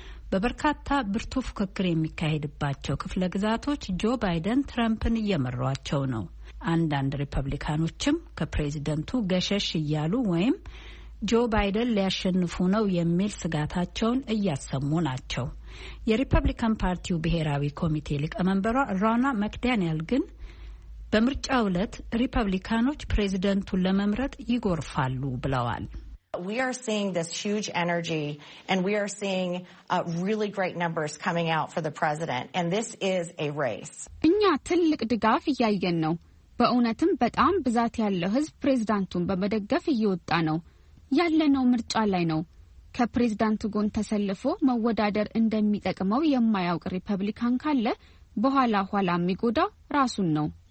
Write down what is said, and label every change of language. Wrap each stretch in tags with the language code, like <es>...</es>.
<am>በበርካታ ብርቱ ፉክክር የሚካሄድባቸው ክፍለ ግዛቶች ጆ ባይደን ትራምፕን እየመሯቸው ነው። አንዳንድ ሪፐብሊካኖችም ከፕሬዝደንቱ ገሸሽ እያሉ ወይም ጆ ባይደን ሊያሸንፉ ነው የሚል ስጋታቸውን እያሰሙ ናቸው። የሪፐብሊካን ፓርቲው ብሔራዊ ኮሚቴ ሊቀመንበሯ ሮና ማክዳኒኤል ግን በምርጫው ዕለት ሪፐብሊካኖች ፕሬዝደንቱን ለመምረጥ ይጎርፋሉ ብለዋል።</am> <en>We are seeing this huge energy and we are seeing really great numbers coming out for the president and this is a race.</en> <am>እኛ ትልቅ ድጋፍ እያየን ነው። በእውነትም በጣም ብዛት ያለው ህዝብ ፕሬዝዳንቱን በመደገፍ እየወጣ ነው። ያለነው ምርጫ ላይ ነው። ከፕሬዝዳንቱ ጎን ተሰልፎ መወዳደር እንደሚጠቅመው የማያውቅ ሪፐብሊካን ካለ በኋላ ኋላ የሚጎዳ ራሱን ነው።</am>